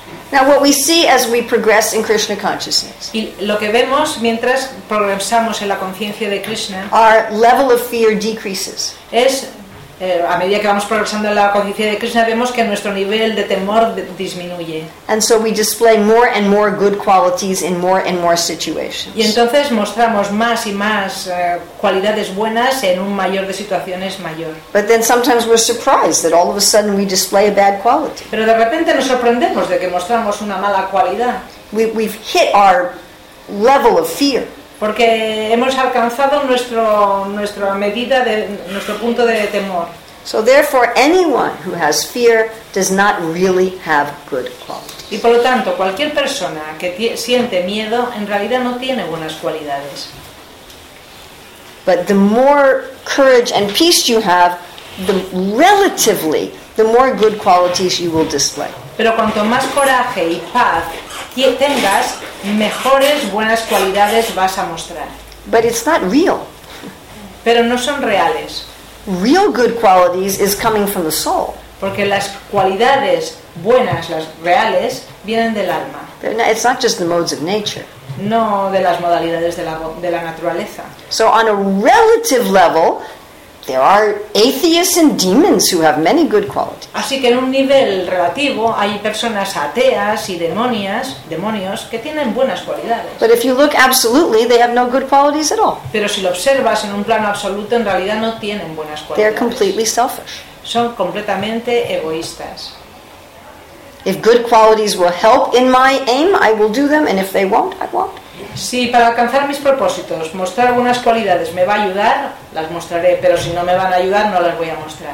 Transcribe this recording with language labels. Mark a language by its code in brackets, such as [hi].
[en] Now what we see as we progress in Krishna consciousness. [es] Y lo que vemos mientras progresamos en la conciencia de Krishna. [en] Our level of fear decreases. [es] Es a medida que vamos progresando en la conciencia de Krishna vemos que nuestro nivel de temor disminuye. [en] And so we display more and more good qualities in more and more situations. [es] Y entonces mostramos más y más cualidades buenas en un mayor de situaciones mayor. [en] But then sometimes we're surprised that all of a sudden we display a bad quality. [es] Pero de repente nos sorprendemos de que mostramos una mala cualidad. [en] We've hit our level of fear. [es] Porque hemos alcanzado nuestra medida de nuestro punto de temor. [en] So therefore, anyone who has fear does not really have good qualities. [es] Y por lo tanto, cualquier persona que siente miedo en realidad no tiene buenas cualidades. [en] But the more courage and peace you have, the more good qualities you will display. [es] Pero cuanto más coraje y paz tengas, mejores buenas cualidades vas a mostrar. [en] But it's not real. [es] Pero no son reales. [en] Real good qualities is coming from the soul. [es] Porque las cualidades buenas, las reales, vienen del alma. [en] It's not just the modes of nature. [es] No de las modalidades de la naturaleza. [en] So on a relative level, there are atheists and demons who have many good qualities. [es] Así que en un nivel relativo hay personas ateas y demonios que tienen buenas cualidades. [en] But if you look absolutely, they have no good qualities at all. [es] Pero si lo observas en un plano absoluto, en realidad no tienen buenas cualidades. [en] They're completely selfish. [es] Son completamente egoístas. [en] If good qualities will help in my aim, I will do them, and if they won't, I won't. [es] Si para alcanzar mis propósitos mostrar buenas cualidades me va a ayudar, las mostraré, pero si no me van a ayudar, no las voy a mostrar.